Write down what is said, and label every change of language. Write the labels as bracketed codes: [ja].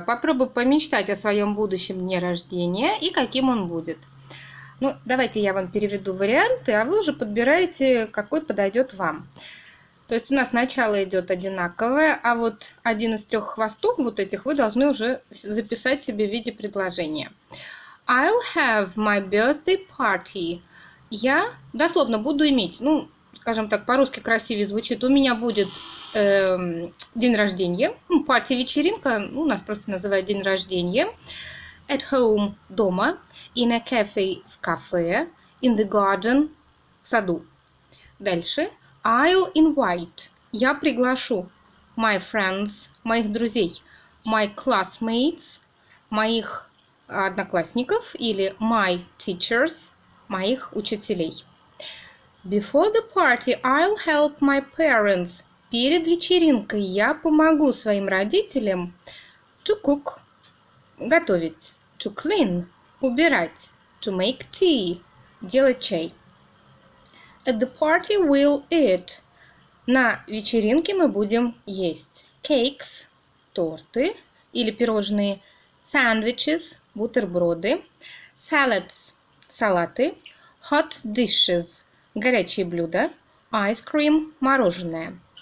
[ru] Попробуй помечтать о своем будущем дне рождения и каким он будет. Ну, давайте я вам переведу варианты, а вы уже подбираете, какой подойдет вам. То есть у нас начало идет одинаковое, а вот один из трех хвостов, вот этих, вы должны уже записать себе в виде предложения. [en] I'll have my birthday party. [ru] Я дословно буду иметь, ну, скажем так, по-русски красивее звучит, у меня будет день рождения, ну, party-вечеринка, ну, у нас просто называют день рождения. [en] At home, [ru] дома, [en] in a cafe, [ru] в кафе, [en] in the garden, [ru] в саду. Дальше. [en] I'll invite. [ru] Я приглашу [en] my friends, [ru] моих друзей, [en] my classmates, [ru] моих одноклассников или [en] my teachers, [ru] моих учителей. [en] Before the party, I'll help my parents. [ru] Перед вечеринкой я помогу своим родителям [en] to cook, [ru] готовить, [en] to clean, [ru] убирать, [en] to make tea, [ru] делать чай. [en] At the party we'll eat. [ru] На вечеринке мы будем есть cakes, торты или пирожные, sandwiches, бутерброды, salads, салаты, [en] hot dishes, [ru] горячие блюда, [en] ice cream, [ru] мороженое.